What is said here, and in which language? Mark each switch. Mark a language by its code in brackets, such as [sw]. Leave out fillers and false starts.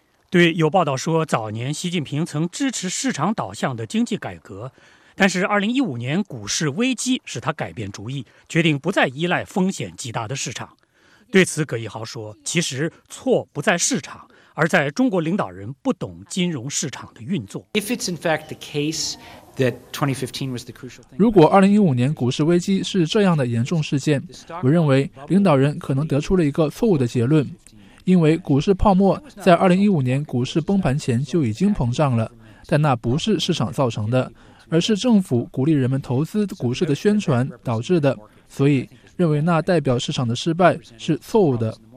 [zh] 对，有报道说早年习近平曾支持市场导向的经济改革，但是2015年股市危机使他改变主意，决定不再依赖风险极大的市场。对此，葛一豪说：“其实错不在市场，而在中国领导人不懂金融市场的运作。 [en] ”If it's in fact the case that 2015 was the crucial thing, [zh] 如果2015年股市危机是这样的严重事件，我认为领导人可能得出了一个错误的结论，因为股市泡沫在2015年股市崩盘前就已经膨胀了，但那不是市场造成的。而是政府鼓励人们投资股市的宣传导致的，所以认为那代表市场的失败是错误的。